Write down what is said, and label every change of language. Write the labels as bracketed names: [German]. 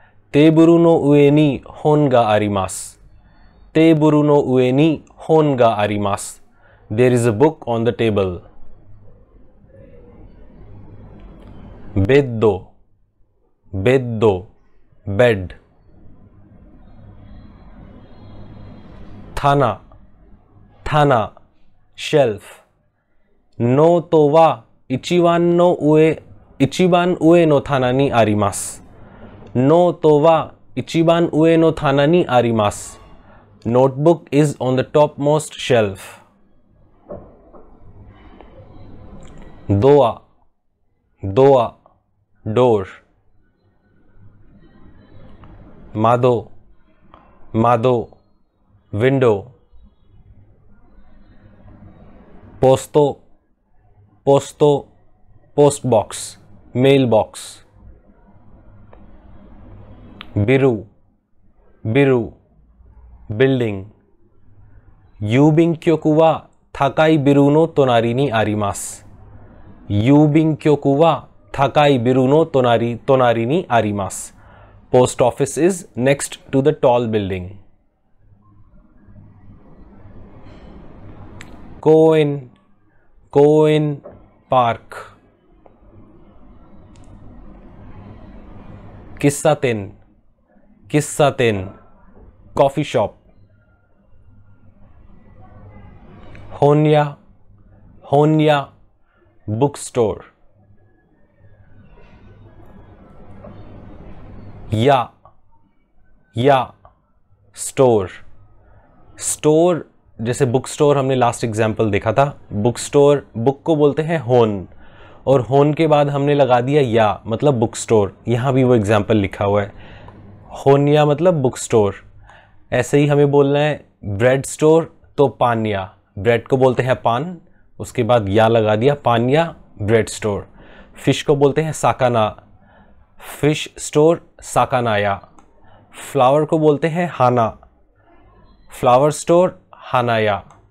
[Japanese] テーブルの上に本があります。テーブルの上に本があります。 [English] There is a book on the table. [Japanese] ベッド、ベッド、ベッド。棚、棚、シェルフ。ノートは一番上の棚にあります。ノートは一番上の棚にあります。 [English] Notebook is on the topmost shelf. [Japanese] ドア、ドア、door. 窓、窓、window. ポスト、ポスト、postbox, mailbox. ビル、ビル、building。郵便局は高いビルの隣にあります。郵便局は高いビルの隣にあります。 [English] Post office is next to the tall building。 [Japanese] 公園、公園、パーク。喫茶店。喫茶店、コーヒーショップ。本屋、本屋、ブックストア。屋、屋、ストア。 [Hindi] ストア、जैसे ブックストア हमने last example देखा था。ブックストア、ブックを बोलते हैं होन。 और होन के बाद हमने लगा दिया या, मतलब ブックストア。 यहाँ भी वो example लिखा हुआ है。 होनिया मतलब बुक स्टोर, ऐसे ही हमें बोलना है ब्रेड स्टोर तो पानिया, ब्रेड को बोलते हैं पान, उसके बाद या लगा दिया पानिया ब्रेड स्टोर, फिश को बोलते हैं साकाना, फिश स्टोर साकानाया, फ्लावर को बोलते हैं हाना, फ्लावर स्टोर हानाया,